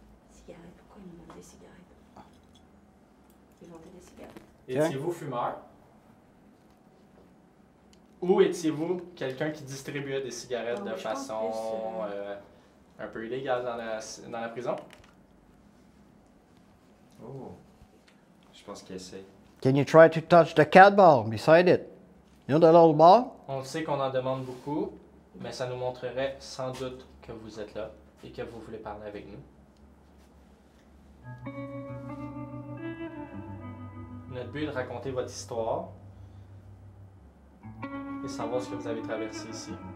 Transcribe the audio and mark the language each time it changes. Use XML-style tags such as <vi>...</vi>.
<fr>Cigarette, pourquoi ils nous vendent des cigarettes? Ils vendent des cigarettes. Étiez-vous fumeur? Ou étiez-vous quelqu'un qui distribuait des cigarettes de façon un peu illégale dans la prison? Oh, je pense qu'il essaie.</fr> <en>Can you try to touch the cat ball beside it? You know the little ball?</en> <fr>On sait qu'on en demande beaucoup, mais ça nous montrerait sans doute que vous êtes là et que vous voulez parler avec nous. Notre but est de raconter votre histoire et savoir ce que vous avez traversé ici.</fr>